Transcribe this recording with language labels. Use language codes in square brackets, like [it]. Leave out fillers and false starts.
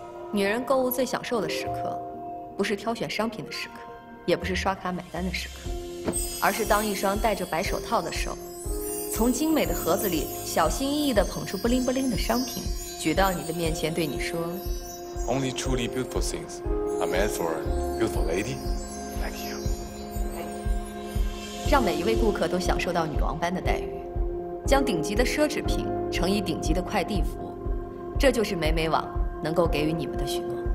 [zh] 女人购物最享受的时刻，不是挑选商品的时刻，也不是刷卡买单的时刻，而是当一双戴着白手套的手，从精美的盒子里小心翼翼地捧出布灵布灵的商品，举到你的面前，对你说 [en] ：“Only truly beautiful things are made for beautiful lady.” [zh] 让每一位顾客都享受到女王般的待遇，将顶级的奢侈品乘以顶级的快递服务，这就是美美网能够给予你们的许诺。